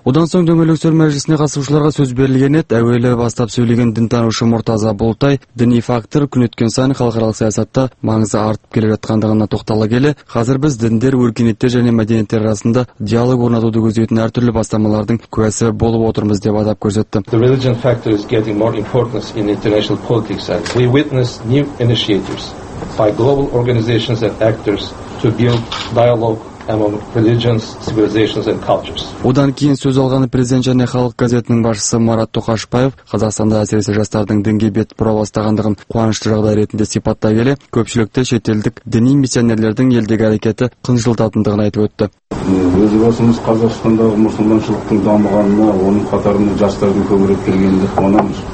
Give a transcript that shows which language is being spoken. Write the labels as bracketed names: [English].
[Kazakh] Одан соң дөңгелек үстел мәжілісіне қатысушыларға сөз берілген еді. Әуелі бастап сөйлеген дінтанушы Мұртаза Болтай, діни фактор күн өткен сайын халықаралық саясатта маңызы артып келе жатқандығына тоқтала келе, қазір біз діндер, өркениеттер және мәдениеттер арасында диалог орнатуды көздейтін әртүрлі бастамалардың куәсі болып отырмыз деп атап көрсетті. [English] The religion factor is getting more importance in international politics and we witness new initiatives by global organizations and actors to build dialogue among religions, civilizations and cultures. [Kazakh] Одан кейін сөз алған президент және халық газетінің басшысы Марат Тоқашбаев Қазақстанда әсіресе жастардың дінге бет бұра бастағандығын қуанышты жағдай ретінде сипаттай келе, көпшілікті шетелдік діни миссионерлердің елдегі әрекеті қынжылтатындығын айтып өтті. Өзі басымыз Қазақстандағы мұсылманшылықтың дамығанына, оның қатарында жастардың көбірек келгеніне қуанамыз.